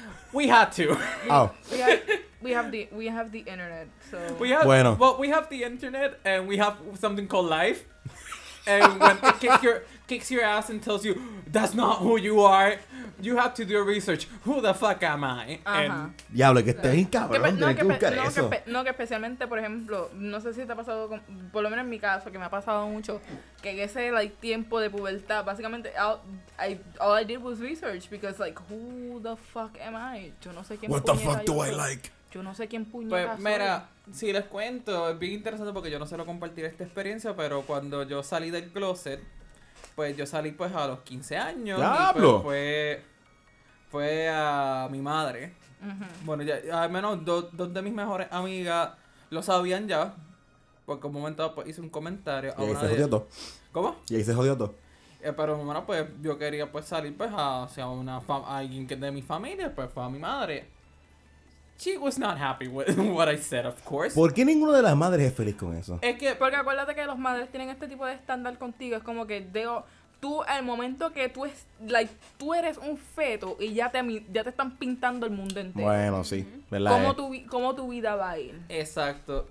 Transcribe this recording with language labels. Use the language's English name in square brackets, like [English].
[English] We had to. We have the internet. So. We have, [Spanish] bueno. [English] Well, we have the internet and we have something called life. And when it kicks your ass and tells you, that's not who you are, you have to do research. Who the fuck am I? Uh-huh. And [Spanish] diablo, que estés en cabrón. Que especialmente, por ejemplo, no sé si te ha pasado, por lo menos en mi caso, que me ha pasado mucho, que en ese tiempo de pubertad, básicamente, [English] all I did was research. Because, who the fuck am I? [Spanish] Yo no sé quién puñeta. [English] What the fuck do I like? [Spanish] Yo no sé quién puñeta. Pues, mira, si les cuento, es bien interesante porque yo no suelo compartir esta experiencia, pero cuando yo salí del closet, pues yo salí pues a los 15 años. ¡Diablo! Y pues fue a mi madre. Uh-huh. Bueno, ya, al menos dos de mis mejores amigas lo sabían ya. Porque un momento pues hice un comentario. Y ahí se jodió todo. ¿Cómo? Y ahí se jodió todo. Pero bueno, pues yo quería pues salir pues a alguien que de mi familia, pues fue a mi madre. [English] She was not happy with what I said, of course. [Spanish] ¿Por qué ninguna de las madres es feliz con eso? Es que, porque acuérdate que los madres tienen este tipo de estándar contigo. Es como que, tú, el momento que tú es, tú eres un feto y ya te están pintando el mundo entero. Bueno, sí, ¿verdad? ¿Cómo tu vida va a ir? Exacto.